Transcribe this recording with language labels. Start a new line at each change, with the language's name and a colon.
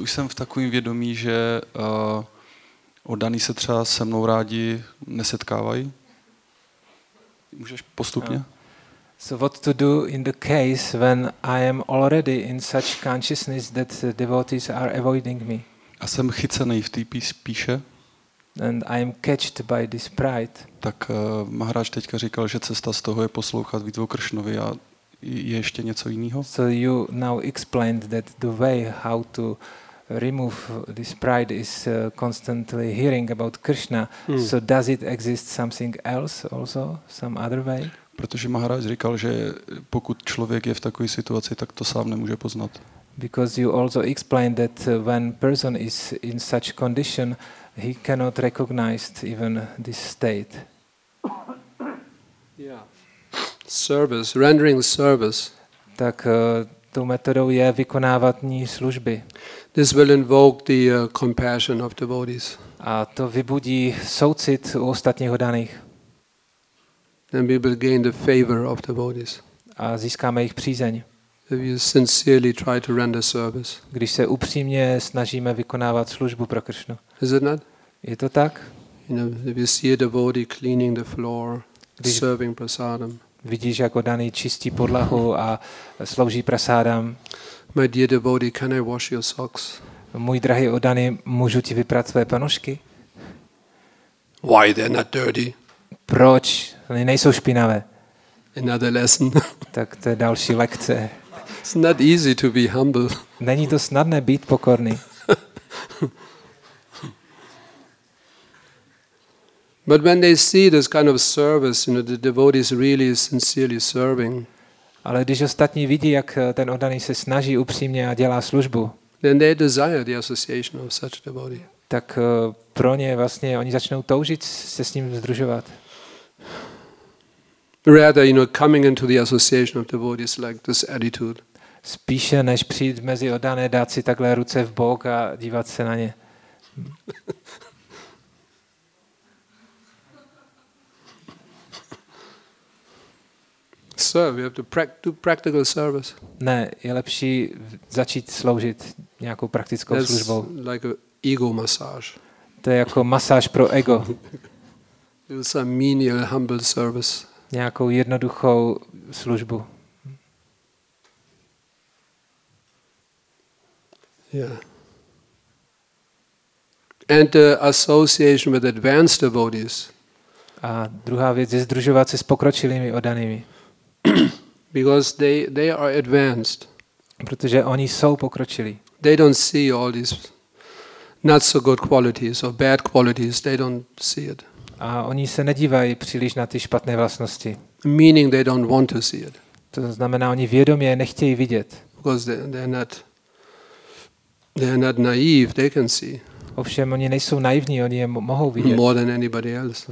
Czech: už jsem v takovém vědomí, že oddaný se třeba se mnou rádi nesetkávají, můžeš postupně?
English: Yeah. So what to do in the case when I am already in such consciousness that the devotees are avoiding me?
Czech: A jsem chycený v té píše.
English: And I am catched by this pride.
Czech: Tak Maharaj teďka říkal, že cesta z toho je poslouchat Vítvo Kršnovi a je ještě něco jiného?
English: So you now explained that the way how to remove this pride is constantly hearing about Krishna. So does it exist something else also, some other way?
Czech: Protože Maharaj říkal, že pokud člověk je v takové situaci, tak to sám nemůže poznat.
English: Because you also explained that when person is in such condition, he cannot recognize even this state. Yeah. Service, rendering service.
Czech: Tak tou metodou je vykonávatní služby.
English: This will invoke the compassion of devotees.
Czech: A to vybudí soucit u ostatních oddaných.
English: Then we will gain the favor of the devotees.
Czech: A získáme jejich přízeň.
English: If you sincerely try to render service.
Czech: Když se upřímně snažíme vykonávat službu pro Kršnu.
English: Is it not?
Czech: Je to tak?
English: You know, if you see a devotee cleaning the floor,
Czech: když
English: serving prasadam.
Czech: Vidíš, jak oddaný čistí podlahu a slouží prasadam.
English: My dear devotee, can I wash your socks?
Czech: Můj drahý oddaný, můžu ti vyprat své panožky?
English: Why they're not dirty?
Czech: Proč? Oni nejsou špinavé.
English: Another lesson.
Czech: Tak to je další lekce.
English: It's not easy to be humble.
Czech: Není to snadné být pokorný.
English: But when they see this kind of service, you know, the devotee is really sincerely serving.
Czech: Ale když ostatní vidí, jak ten oddaný se snaží upřímně a dělá službu,
English: then they desire the association of such a devotee.
Czech: Tak pro ně vlastně oni začnou toužit se s ním sdružovat.
English: Rather, you know, coming into the association of devotees like this attitude.
Czech: Spíše než přijít mezi oddané, dát si takhle ruce v bok a dívat se na ně.
English: So, we have to do practical service.
Czech: Ne, je lepší začít sloužit nějakou praktickou
English: That's
Czech: službou.
English: Like an ego massage.
Czech: To je jako masáž pro ego.
English: Some menial, humble service.
Czech: Nějakou jednoduchou službu.
English: Yeah. And the association with advanced devotees.
Czech: A druhá věc je sdružovat se s pokročilými oddanými.
English: Because they are advanced. Protože oni jsou pokročilí. They don't see all these not so good qualities or bad qualities. They don't see it.
Czech: A oni se nedívají příliš na ty špatné vlastnosti.
English: Meaning they don't want to see it.
Czech: To znamená, oni vědomě nechtějí vidět.
English: Because they're not naive, they can see.
Czech: ovšem oni nejsou naivní, oni je mohou vidět.
English: More than anybody else.